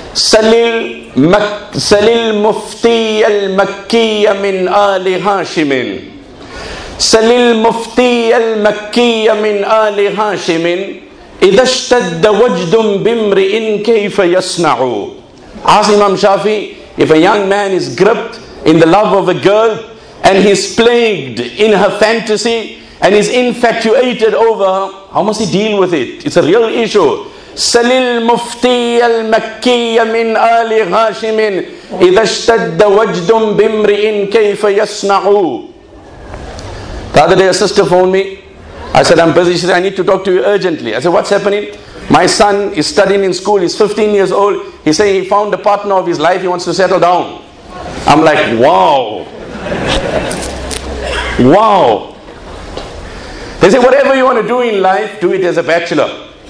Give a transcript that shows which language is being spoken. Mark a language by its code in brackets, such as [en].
[ar] سَلِلْ مُفْتِيَ الْمَكِّيَ مِنْ آلِ هَاشِمٍ سَلِلْ مُفْتِيَ الْمَكِّيَ مِنْ آلِ هَاشِمٍ إِذَا اشْتَدَّ وَجْدٌ بِمْرِئٍ كَيْفَ يَصْنَعُ [en] Ask Imam Shafi, if a young man is gripped in the love of a girl and he's plagued in her fantasy and he's infatuated over her, how must he deal with it? It's a real issue. [ar] سَلِ الْمُفْتِيَ الْمَكِّيَ مِنْ آلِ غَاشِمٍ إِذَا اشْتَدَّ وَجْدٌ بِمْرِئٍ كَيْفَ يَصْنَعُ [en] The other day a sister phoned me. I said, I'm busy. She said, I need to talk to you urgently. I said, what's happening? My son is studying in school. He's 15 years old. He said he found a partner of his life. He wants to settle down. I'm like, wow. Wow. They said, whatever you want to do in life, do it as a bachelor.